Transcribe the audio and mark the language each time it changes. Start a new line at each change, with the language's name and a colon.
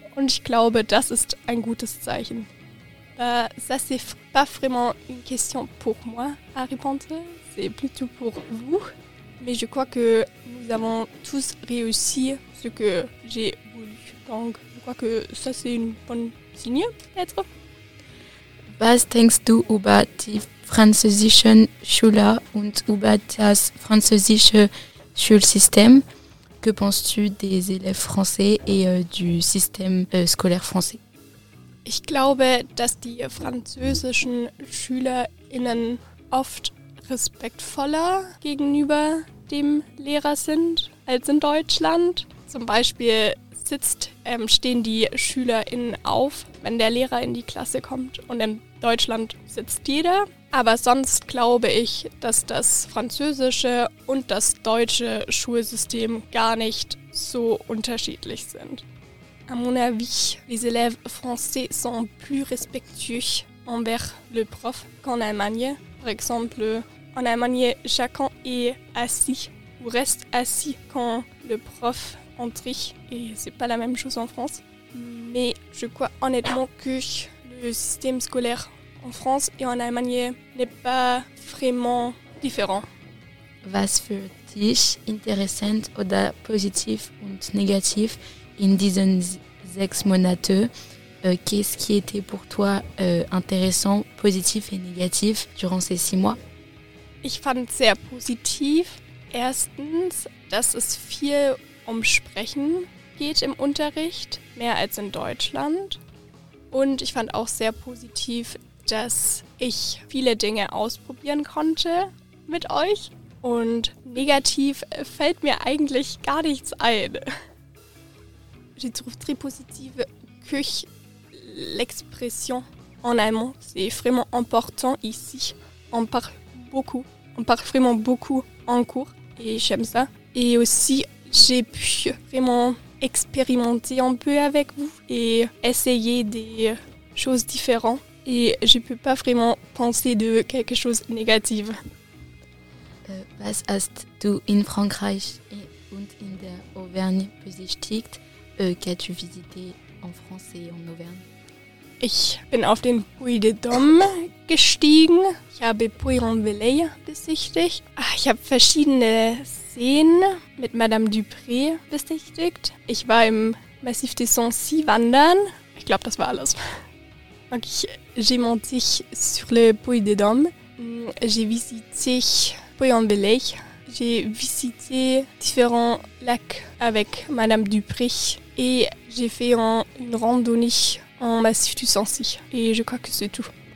German: Und ich glaube, das ist ein gutes Zeichen.
French: Ça, c'est pas vraiment une question pour moi à répondre. C'est plutôt pour vous. Mais je crois que nous avons tous réussi ce que j'ai voulu. Donc, je crois que ça, c'est une bonne signe, peut-être.
German: Was denkst du über die französischen Schüler und über das französische Schulsystem?
French: Que penses-tu des élèves français et du système scolaire français?
German: Ich glaube, dass die französischen SchülerInnen oft respektvoller gegenüber dem Lehrer sind als in Deutschland. Zum Beispiel stehen die SchülerInnen auf, wenn der Lehrer in die Klasse kommt, und in Deutschland sitzt jeder. Aber sonst glaube ich, dass das französische und das deutsche Schulsystem gar nicht so unterschiedlich sind.
French: À mon avis, les élèves français sont plus respectueux envers le prof qu'en Allemagne. Par exemple, en Allemagne, chacun est assis ou reste assis quand le prof entre. Et c'est pas la même chose en France. Mais je crois honnêtement que le système scolaire en France et en Allemagne n'est pas vraiment différent.
German: Was für dich
French: intéressant
German: oder
French: positif
German: und negativ in diesen 6 Monaten?
French: Qu'est-ce qui était pour toi intéressant, positif et négatif durant ces 6 mois?
German: Ich fand sehr positiv, erstens, dass es viel um Sprechen geht im Unterricht, mehr als in Deutschland. Und ich fand auch sehr positiv, dass ich viele Dinge ausprobieren konnte mit euch. Und negativ fällt mir eigentlich gar nichts ein.
French: J'ai trouvé très positive que l'expression en allemand, c'est vraiment important ici. On parle beaucoup, on parle vraiment beaucoup en cours et j'aime ça. Et aussi, j'ai pu vraiment expérimenter un peu avec vous et essayer des choses différentes. Et je ne peux pas vraiment penser de quelque chose de négatif.
German: Was hast du in Frankreich und in der Auvergne besichtigt?
French: Qu'as-tu visité en France et en Auvergne?
German: Ich bin auf den Puy de Dôme gestiegen. Ich habe Puy-en-Velay besichtigt. Ich habe verschiedene Seen mit Madame Dupré besichtigt. Ich war im Massif des Sancy wandern. Ich glaube, das war alles.
French: Donc, j'ai monté sur le Puy de Dôme. J'ai visité Puy-en-Velay. J'ai visité différents lacs avec Madame Dupré et j'ai fait une randonnée en Massif du Sancy. Et je crois que c'est tout.